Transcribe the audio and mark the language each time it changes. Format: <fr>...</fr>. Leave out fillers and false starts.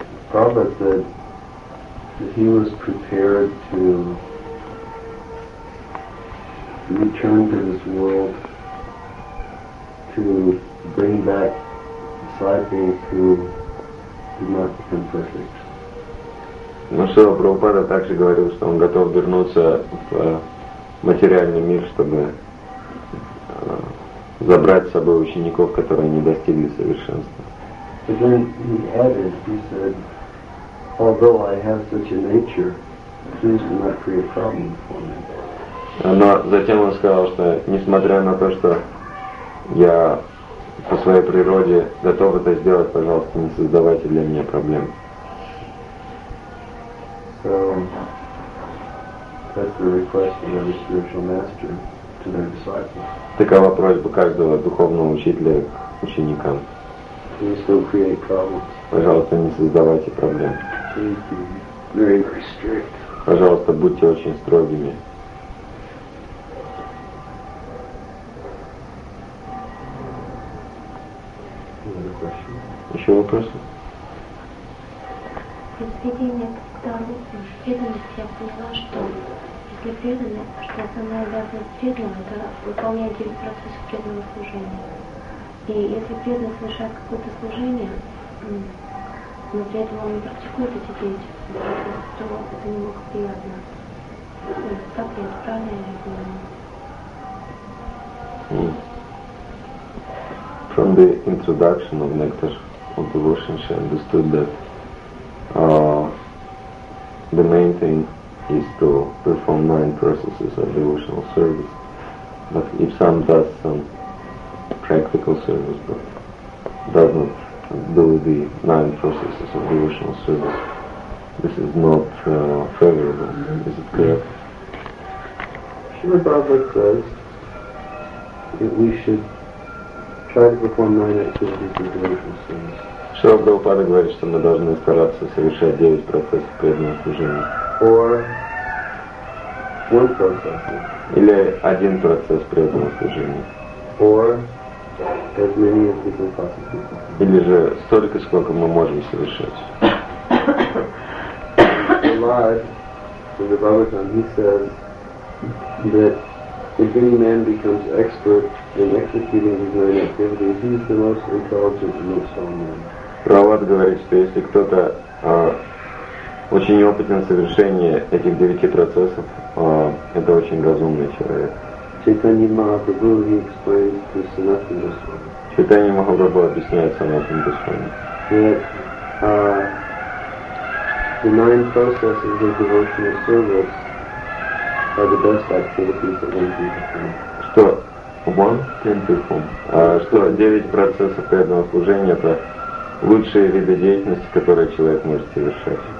<en>Prabhupada said that he was prepared to return to this world to bring back disciples who did not become perfect.</en> <ru>Но Шрила Прабхупада также говорил, что он готов вернуться в материальный мир, чтобы забрать с собой учеников, которые не достигли совершенства.</ru> <en>But then he added, he said, although I have such a nature, please do not create problems for me.</en> <ru>Но затем он сказал, что несмотря на то, что я по своей природе готов это сделать, пожалуйста, не создавайте для меня проблем.</ru> <en>So that's the request of every spiritual master to their disciples.</en> <ru>Такова просьба каждого духовного учителя к ученикам.</ru> <en>Please don't create problems.</en> <ru>Пожалуйста, не создавайте проблем.</ru> <en>Please be very strict.</en> <ru>Пожалуйста, будьте очень строгими.</ru> <en>Another question.</en> <ru>Еще вопросы? Произведение Тару преданности, я поняла, что если преданный, что основная обязанность преданного – это выполнять 9 процессов преданного служения. И если преданный совершает какое-то служение, но при этом он не практикует эти 9 процессов, то это не может быть приятно. Так ли это правильно или нет?</ru> <en>From the introduction of Nectar of Devotion, she understood that the main thing is to perform 9 processes of devotional service. But if someone does some practical service but does not do the 9 processes of devotional service, this is not favorable. Mm-hmm. Is it correct? Srila Prabhupada says that we should try to perform nine activities of devotional service.</en> <ru>Шрила Прабхупада говорит, что мы должны стараться совершать 9 процессов преданного служения.</ru> <en>Or one process.</en> <ru>Или один процесс преданного служения.</ru> <en>Or as many as we can possibly.</en> <ru>Или же столько, сколько мы можем совершать.</ru> <en>Lord, in the Bhagavatam, he says that if any man becomes expert in executing his nine activities, he is the most intelligent and most holy man.</en> <ru>Прабхупада говорит, что если кто-то очень опытен в совершении этих 9 процессов, это очень разумный человек. Чайтанья Махапрабху объясняет Санатан Госвами. Чайтанья Махапрабху объясняет Санатан Госвами.</ru> <en>That the nine processes of devotional service are the best activities that one can perform.</en> <ru>Что</ru> <en>one can perform?</en> <ru>Что 9 процессов преданного служения — это лучшие виды деятельности, которые человек может совершать.</ru>